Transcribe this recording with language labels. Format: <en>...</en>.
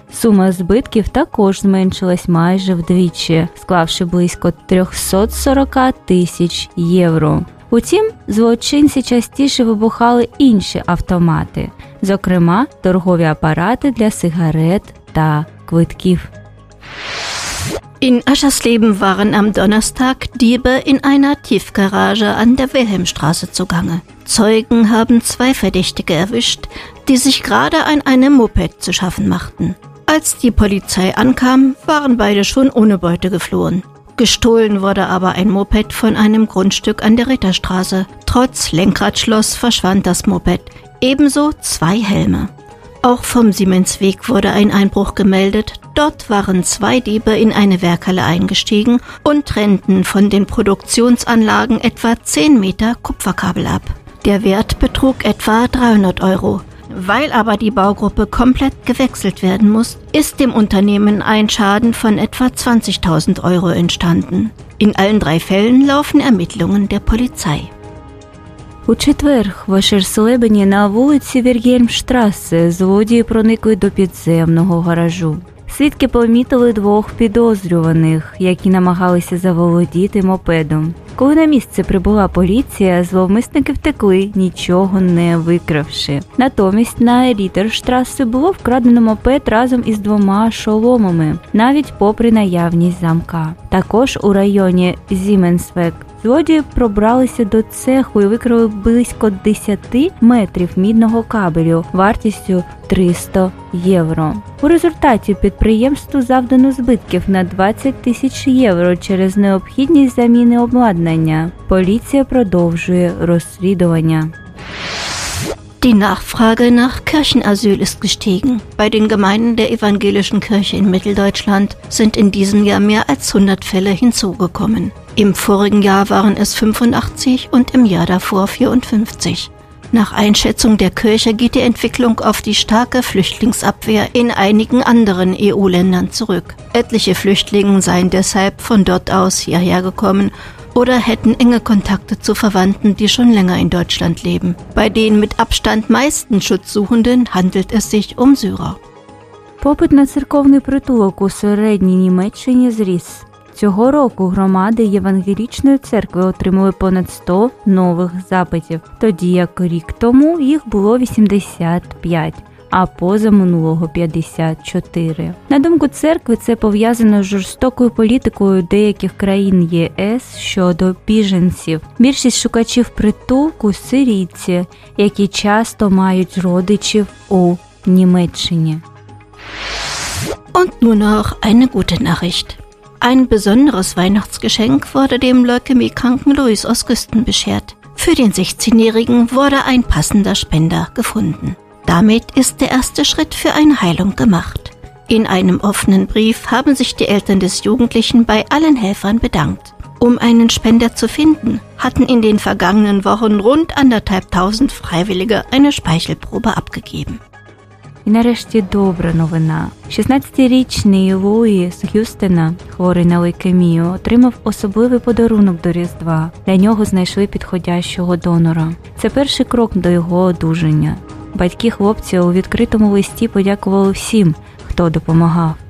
<uk>Сума збитків також зменшилась майже вдвічі, склавши близько 340 тисяч євро. Утім, злочинці частіше вибухали інші автомати, зокрема, торгові апарати для сигарет та квитків.</uk> <de>In Aschersleben waren am Donnerstag Diebe in einer Tiefgarage an der Wilhelmstraße zugange. Zeugen haben 2 Verdächtige erwischt, die sich gerade an einem Moped zu schaffen machten. Als die Polizei ankam, waren beide schon ohne Beute geflohen. Gestohlen wurde aber ein Moped von einem Grundstück an der Ritterstraße. Trotz Lenkradschloss verschwand das Moped, ebenso 2 Helme. Auch vom Siemensweg wurde ein Einbruch gemeldet. Dort waren 2 Diebe in eine Werkhalle eingestiegen und trennten von den Produktionsanlagen etwa 10 Meter Kupferkabel ab. Der Wert betrug etwa 300 Euro. Weil aber die Baugruppe komplett gewechselt werden muss, ist dem Unternehmen ein Schaden von etwa 20.000 Euro entstanden. In allen 3 Fällen laufen Ermittlungen der Polizei.</de> <uk>У четвер в Ашерслебені на вулиці Вільгельмштрассе злодії проникли до підземного гаражу. Свідки помітили 2 підозрюваних, які намагалися заволодіти мопедом. коли на місце прибула поліція, зловмисники втекли, нічого не викравши. Натомість на Рітерштрасі було вкрадено мопед разом із двома шоломами, навіть попри наявність замка. Також у районі Зіменсвек злодії пробралися до цеху і викрали близько 10 метрів мідного кабелю вартістю 300 євро. У результаті підприємству завдано збитків на 20 тисяч євро через необхідність заміни обладнання. Поліція продовжує розслідування.</uk> <de>Die Nachfrage nach Kirchenasyl ist gestiegen. Bei den Gemeinden der evangelischen Kirche in Mitteldeutschland sind in diesem Jahr mehr als 100 Fälle hinzugekommen. Im vorigen Jahr waren es 85 und im Jahr davor 54. Nach Einschätzung der Kirche geht die Entwicklung auf die starke Flüchtlingsabwehr in einigen anderen EU-Ländern zurück. Etliche Flüchtlinge seien deshalb von dort aus hierher gekommen oder hätten enge Kontakte zu Verwandten, die schon länger in Deutschland leben. Bei den mit Abstand meisten Schutzsuchenden handelt es sich um Syrer.</de> <uk>Попит на церковний притулок у середній Німеччині зріс. Цього року громади Євангелічної церкви отримали понад 100 нових запитів, тоді як рік тому їх було 85. А позаминулого 54. На думку церкви, це пов'язано з жорстокою політикою деяких країн ЄС щодо біженців. Більшість шукачів притулку – сирійці, які часто мають родичів у Німеччині.</uk> <de>Und nur noch eine gute Nachricht. Ein besonderes Weihnachtsgeschenk wurde dem leukämiekranken Louis aus Güsten beschert. Für den 16-Jährigen wurde ein passender Spender gefunden. Damit ist der erste Schritt für eine Heilung gemacht. In einem offenen Brief haben sich die Eltern des Jugendlichen bei allen Helfern bedankt. Um einen Spender zu finden, hatten in den vergangenen Wochen rund 1.500 Freiwillige eine Speichelprobe abgegeben.</de> <uk>І нарешті добра новина. 16-річний Луї з Х'юстена, хворий на лейкемію, отримав особливий подарунок до Різдва. Для нього знайшли підходящого донора. Це перший крок до його одужання. Батьки хлопця у відкритому листі подякували всім, хто допомагав.</uk>